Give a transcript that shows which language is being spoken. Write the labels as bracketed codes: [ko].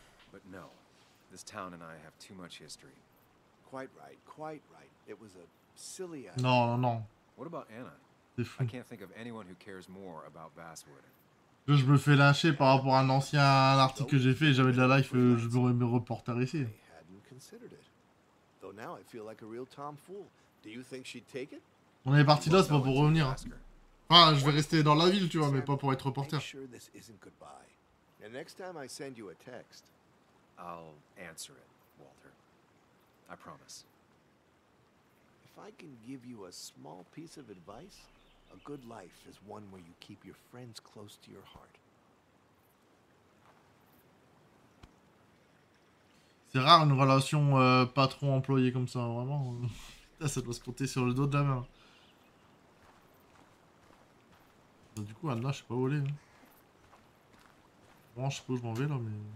[en] But no, this town and I have too much history. Quite right, quite right. It was a silly idea. No, no, no. What about Anna? I can't think of anyone who cares more about Basswood. [fr] Je me fais lyncher par rapport à un ancien article que j'ai fait, j'avais de la life, je voudrais me reporter ici. [en] I hadn't considered it. Though now I feel like a real Tom Fool. Do you think she'd take it? [fr] On est parti là, c'est pas pour revenir. Enfin, je vais rester dans la ville, tu vois, mais pas pour être reporter. [en] Sure this isn't goodbye. And next time I send you a text, I'll answer it, Walter. I promise. If I can give you a small piece of advice, a good life is one where you keep your friends close to your heart. [fr] C'est rare une relation patron-employé comme ça, vraiment. Ça doit se porter sur le dos de la main. Bah, du coup, là, je sais pas où aller. Hein. Bon, je sais pas où je m'en vais là, mais.